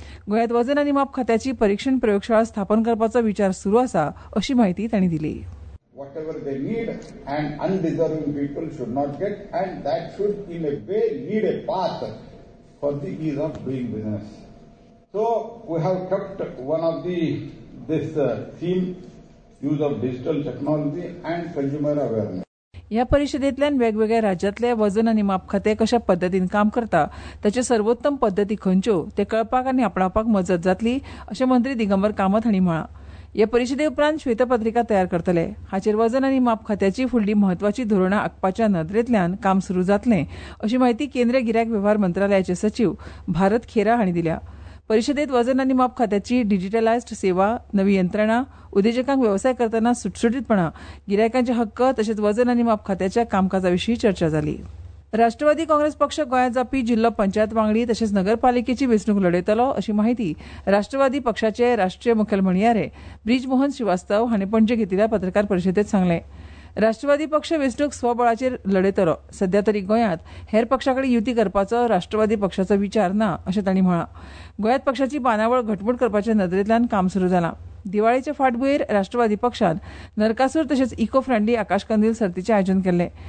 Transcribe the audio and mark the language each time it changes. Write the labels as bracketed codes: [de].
[kok] गोंयांत वजन आनी माप खात्याची परिक्षण प्रयोगशाळा स्थापन करपाचो विचार सुरू आसा अशी माहिती तांणी दिली. [en] Whatever they need and undeserving people should not get, and that should in a way lead a path for the ease of doing business. So we have kept one of the this theme use of digital technology and consumer awareness. [kok] ह्या परिषदेतल्यान वेगवेगळ्या राज्यातले वजन आनी माप खाते कशा पद्दतीन काम करता ताच्यो सर्वोत्तम पद्दती खंयच्यो ते कळपाक आनी आपणावपाक मजत जातली अशें मंत्री दिगंबर कामत हांणी म्हळां. ह्या परिषदे उपरांत श्वेतपत्रिका तयार करतले. हाचेर वजन आनी माप खात्याची फुडली म्हत्वाची धोरणां आंखपाच्या नदरेंतल्यान काम सुरू जातलें अशी माहिती केंद्रीय गिरायक वेव्हार मंत्रालयाचे सचीव भारत खेरा हांणी दिल्या. परिषदेत वजन आनी माप खात्याची डिजिटलायज्ड सेवा, नवी यंत्रणा, उद्देजकांक व्यवसाय करतना सुटसुटीतपणा, गिरायकांचे हक्क तशेंच वजन आनी माप खात्याच्या कामकाजाविशी चर्चा जाली. राष्ट्रवादी काँग्रेस पक्ष गोंयांत जावपी जिल्हो पंचायत वांगडी तशेंच नगरपालिकेची वेंचणूक लढयतलो अशी माहिती राष्ट्रवादी पक्षाचे राष्ट्रीय मुखेल म्हणयारे ब्रिजमोहन श्रीवास्तव हांणी पणजे घेतिल्ल्या पत्रकार परिषदेत सांगले. राष्ट्रवादी पक्ष वेंचणूक स्वबळाचेर लढयतलो. सध्या तरी गोंयांत हेर पक्षाकडे युती करपाचो राष्ट्रवादी पक्षाचो विचार ना अशें तांणी म्हळां. गोंयांत पक्षाची बांदावळ घटमूट करपाच्या नदरेंतल्यान काम सुरू जालां. दिवाळेच्या फाटभुंयेर राष्ट्रवादी पक्षान नरकासूर तशेंच इको फ्रेंडली आकाशकंदील सर्तीचें आयोजन केल्लें.